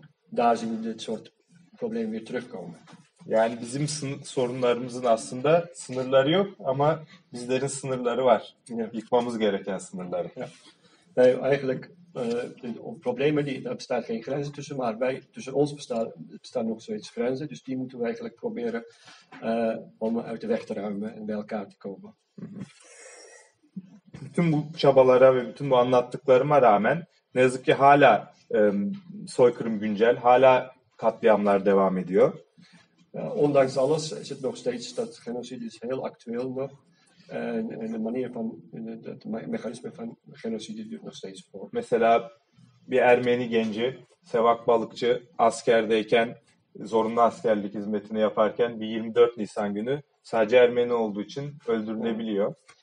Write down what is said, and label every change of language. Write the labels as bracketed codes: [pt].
[nl] Daar zien we dit soort problemen weer terugkomen. [tr] Yani bizim sorunlarımızın aslında sınırları yok ama bizlerin sınırları var. [en] Yeah. [tr] Yıkmamız gereken sınırları. [en] Yeah. [nl] Nee, eigenlijk problemen die daar bestaat geen grenzen tussen, maar wij tussen ons bestaan nog zoiets grenzen, dus die moeten we eigenlijk proberen om uit de weg te ruimen en bij elkaar te komen. [tr] Bütün bu çabalara ve bütün bu anlattıklarıma rağmen ne yazık ki hala soykırım güncel, hala katliamlar devam ediyor. [nl] Ondanks alles is het nog steeds dat genocide is heel actueel nog. En de manier van het mechanisme van genocide duurt nog steeds voor. [tr] Mesela bir Ermeni genci, Sevak Balıkçı askerdeyken, zorunlu askerlik hizmetini yaparken bir 24 Nisan günü sadece Ermeni olduğu için öldürülebiliyor.